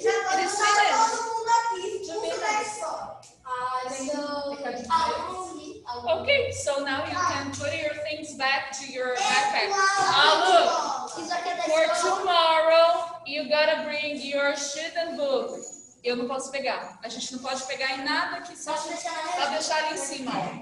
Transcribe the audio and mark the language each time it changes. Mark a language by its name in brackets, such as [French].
[Portuguese] Já está todo mundo aqui, tudo bem só. [English] Ok, so now you can put your things back to your backpack. Alu, for tomorrow, you gotta bring your student book. [Portuguese] Eu não posso pegar. A gente não pode pegar em nada que só pra deixar ali em cima.